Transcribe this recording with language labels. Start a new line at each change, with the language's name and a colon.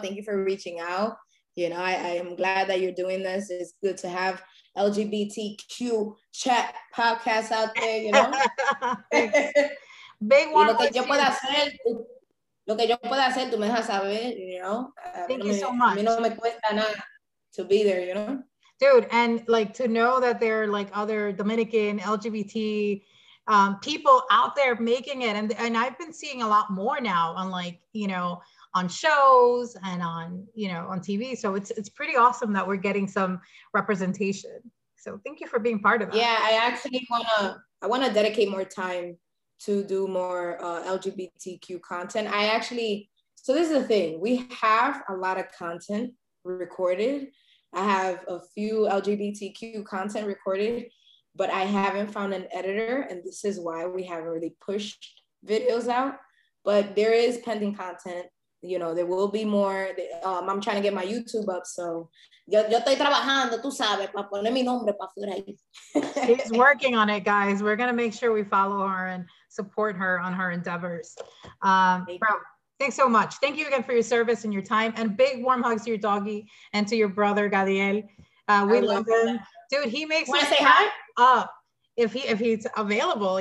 English: Thank you for reaching out. You know, I am glad that you're doing this. It's good to have LGBTQ chat podcast out there, you know? Big one.
Spanish: Lo que yo puedo hacer, tú me dejas saber,
English: you know? Thank you so much.
Spanish: A mí no me cuesta nada
English: to be there, you know? Dude, and like to know that there are like other Dominican LGBT people out there making it. And I've been seeing a lot more now on like, you know, on shows and on, you know, on TV. So it's pretty awesome that we're getting some representation. So thank you for being part of that. Yeah, I want to dedicate more time to do more LGBTQ content. So this is the thing. We have a lot of content recorded. I have a few LGBTQ content recorded, but I haven't found an editor. And this is why we haven't really pushed videos out, but there is pending content. You know, there will be more. I'm trying to get my YouTube up, so.
Spanish: Yo estoy trabajando, tú sabes, para poner mi nombre para fuera ahí.
English: She's working on it, guys. We're going to make sure we follow her and support her on her endeavors. Thanks so much. Thank you again for your service and your time. And big warm hugs to your doggy and to your brother, Gabriel. We love him. Dude, he makes us say hi? Up if he's available.